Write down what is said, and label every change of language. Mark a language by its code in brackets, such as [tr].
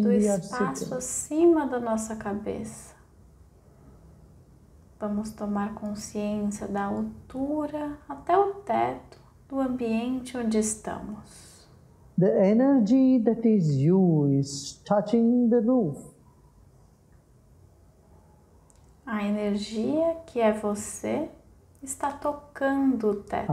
[pt] do espaço acima da nossa cabeça. Vamos tomar consciência da altura até o teto do ambiente onde estamos. [en] The energy that is you is touching the roof. [pt] A energia que é você está tocando o teto.